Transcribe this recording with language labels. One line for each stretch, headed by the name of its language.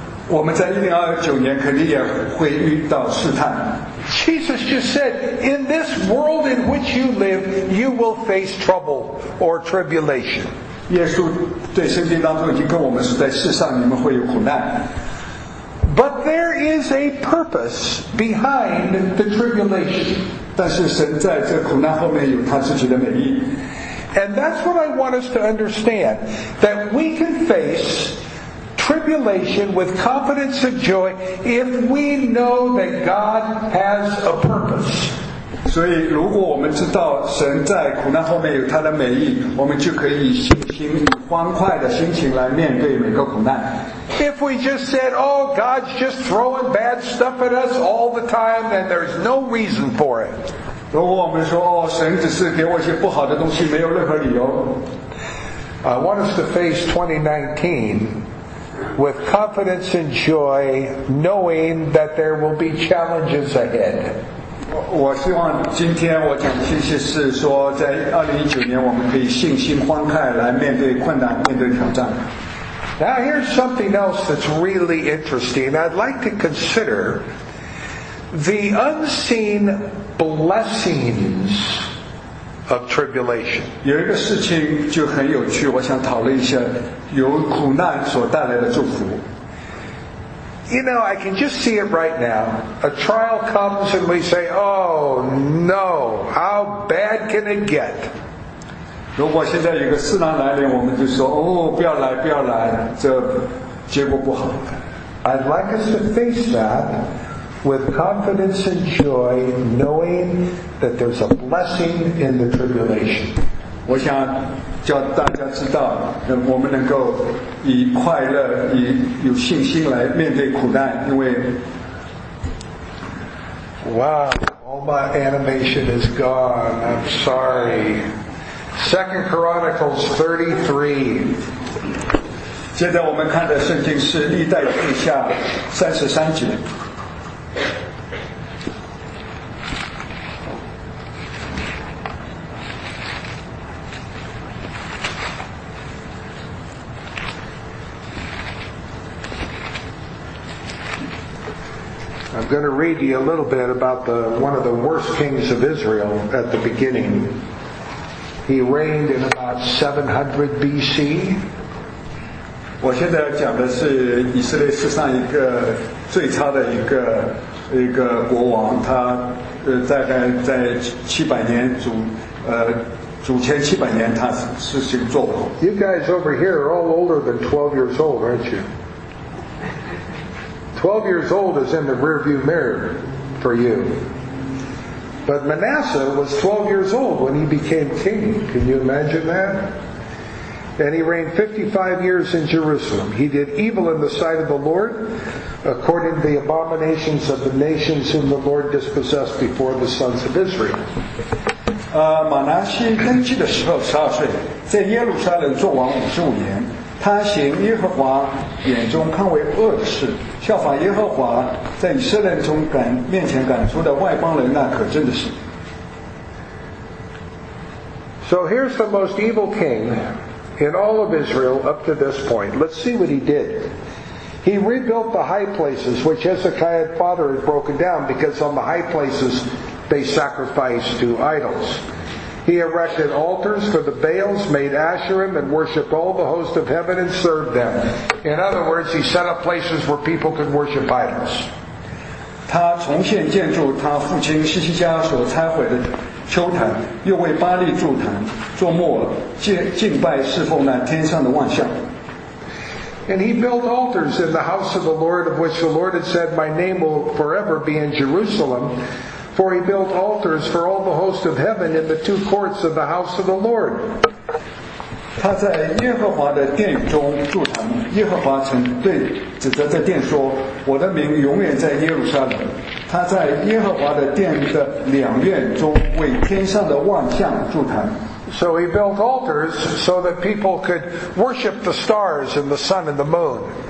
Chinese: 我们在2019年肯定也会遇到试探。
English: Jesus just said, in this world in which you live, you will face trouble or tribulation.
Chinese: 耶稣对圣经当中已经跟我们说，在世上你们会有苦难。
English: But there is a purpose behind the tribulation.
Chinese: 但是神在这苦难后面有他自己的美意。
English: And that's what I want us to understand, that we can face tribulation with confidence and joy if we know that God has a purpose.
Chinese: 所以如果我们知道神在苦难后面有他的美意，我们就可以以信心欢快的心情来面对每个苦难。
English: If we just said, oh, God's just throwing bad stuff at us all the time, then there's no reason for it.
Chinese: 如果我们说，哦，神只是给我一些不好的东西，没有任何理由。
English: I want us to face 2019 with confidence and joy, knowing that there will be challenges ahead.
Chinese: 我希望今天我讲的信息是说，在2019年我们可以信心欢快来面对困难，面对挑战。
English: Now here's something else that's really interesting. I'd like to consider the unseen blessings of tribulation.
Chinese: 有一个事情就很有趣，我想讨论一下由苦难所带来的祝福。
English: You know, I can just see it right now. A trial comes and we say, oh no, how bad can it get?
Chinese: 如果现在有个试探来临，我们就说，哦，不要来，不要来，这结果不好。
English: I'd like us to face that with confidence and joy, knowing that there's a blessing in the tribulation.
Chinese: 我想叫大家知道，我们能够以快乐，以有信心来面对苦难，因为
English: Wow, all my animation is gone. I'm sorry. 2 Chronicles 33.
Chinese: 现在我们看的圣经是历代志下33节。
English: I'm going to read you a little bit about the, one of the worst kings of Israel at the beginning. He reigned in about 700 B.C.
Chinese: 我现在讲的是以色列史上一个最差的一个国王，他大概在主前七百年，他实行作王。
English: You guys over here are all older than 12 years old, aren't you? 12 years old is in the rearview mirror for you. But Manasseh was 12 years old when he became king. Can you imagine that? And he reigned 55 years in Jerusalem. He did evil in the sight of the Lord, according to the abominations of the nations whom the Lord dispossessed before the sons of Israel.
Chinese: 马拿西登基的时候12岁，在耶路撒冷作王55年。他行耶和华眼中看为恶的事，效法耶和华在以色列中赶面前赶出的外邦人那可憎的事。
English: So here's the most evil king in all of Israel up to this point. Let's see what he did. He rebuilt the high places which Hezekiah's father had broken down, because on the high places they sacrificed to idols. He erected altars for the Baals, made Asherim, and worshipped all the host of heaven and served them. In other words, he set up places where people could worship idols.
Chinese: 他重建建筑他父亲西西家所拆毁的丘坛，又为巴利筑坛，做末了敬拜侍奉那天上的万象。
English: And he built altars in the house of the Lord, of which the Lord had said, My name will forever be in Jerusalem. For he built altars for all the host of heaven in the two courts of the house of the Lord.
Chinese: 他在耶和华的殿中筑坛，耶和华曾对指着这殿说，我的名永远在耶路撒冷。他在耶和华的殿的两院中为天上的万象筑坛。
English: So he built altars so that people could worship the stars and the sun and the moon.